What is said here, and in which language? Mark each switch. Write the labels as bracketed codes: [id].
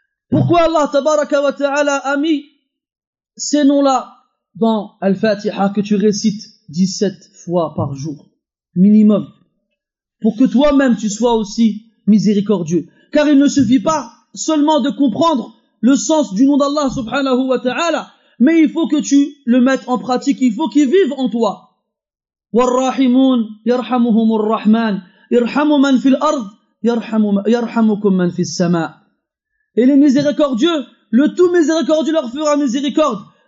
[fr] Pourquoi Allah tabaraka wa ta'ala a mis ces noms-là dans Al-Fatiha que tu récites 17 fois par jour, minimum, pour que toi-même tu sois aussi miséricordieux? Car il ne suffit pas seulement de comprendre le sens du nom d'Allah subhanahu wa ta'ala, mais il faut que tu le mettes en pratique, il faut qu'il vive en toi. [ar] والراحمون يرحمهم الرحمن ارحموا من في الارض يرحمكم من في السماء. [fr] Et les miséricordieux, le tout miséricordieux leur fera miséricorde.